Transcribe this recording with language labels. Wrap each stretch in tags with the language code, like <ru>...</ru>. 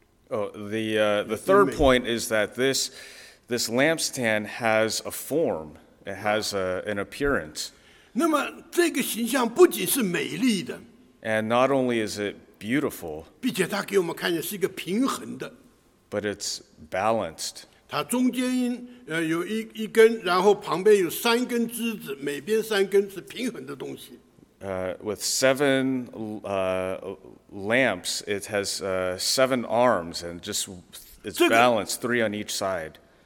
<en>Oh, the third point is that this lampstand has a form. It has an appearance.</en> <zh>那么这个形象不仅是美丽的,</zh> <en>and not only is it beautiful,</en> <zh>并且它给我们看见是一个平衡的,</zh> <en>but it's balanced.</en> <zh>它中间有一根, 然后旁边有三根枝子, 每边三根是平衡的东西。</zh> <en>With seven lamps, it has seven arms, and just it's</en> <zh>这个,</zh> <en>balanced, three on each side.</en>